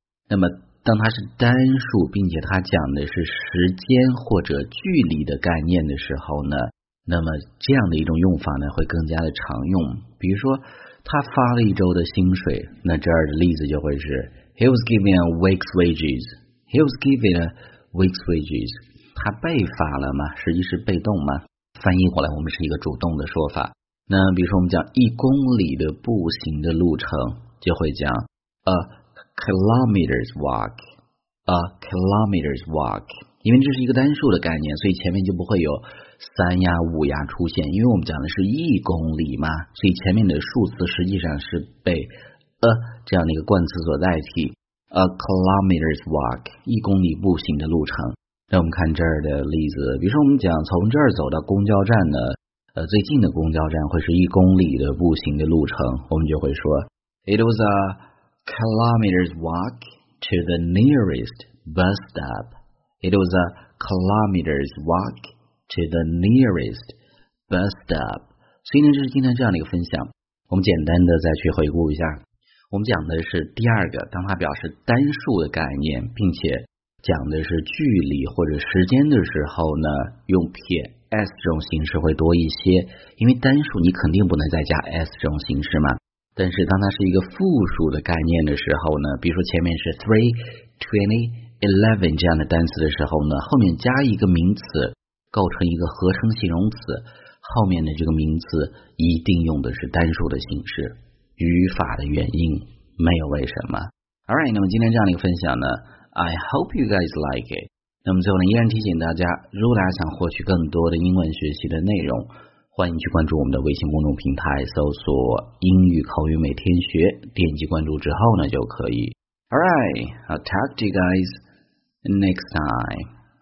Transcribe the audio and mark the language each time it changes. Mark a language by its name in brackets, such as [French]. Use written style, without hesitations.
[Chinese] 那么当它是单数并且它讲的是时间或者距离的概念的时候呢，那么这样的一种用法呢会更加的常用。比如说他发了一周的薪水，那这儿的例子就会是 [English] he was given a week's wages。 He was given a week's wages。 [Chinese] 他被发了吗？实际是被动吗？翻译过来我们是一个主动的说法。那比如说我们讲一公里的步行的路程，就会讲 [English] a kilometer's walk， a kilometer's walk。 [Chinese] 因为这是一个单数的概念，所以前面就不会有三呀五呀出现，因为我们讲的是一公里嘛，所以前面的数词实际上是被 a 这样的一个冠词所代替。 [English] A kilometer's walk， [Chinese] 一公里步行的路程。那我们看这儿的例子，比如说我们讲从这儿走到公交站呢，最近的公交站会是一公里的步行的路程，我们就会说 ， [English] It was a kilometer's walk to the nearest bus stop。 It was a kilometer's walk to the nearest bus stop。 [Chinese] 所以呢，这是今天这样的一个分享，我们简单的再去回顾一下。我们讲的是第二个，当它表示单数的概念并且讲的是距离或者时间的时候呢，用撇 s 这种形式会多一些，因为单数你肯定不能再加 s 这种形式嘛。但是当它是一个复数的概念的时候呢，比如说前面是 [English] three twenty eleven [Chinese] 这样的单词的时候呢，后面加一个名词，构成一个合成形容词，后面的这个名词一定用的是单数的形式。语法的原因没有为什么。 [English] All right， [Chinese] 那么今天这样的一个分享呢 ， [English] I hope you guys like it。 [Chinese] 那么最后呢，依然提醒大家，如果大家想获取更多的英文学习的内容，欢迎去关注我们的微信公众平台，搜索英语口语每天学，点击关注之后呢就可以。 [English] All right, I'll talk to you guys next time.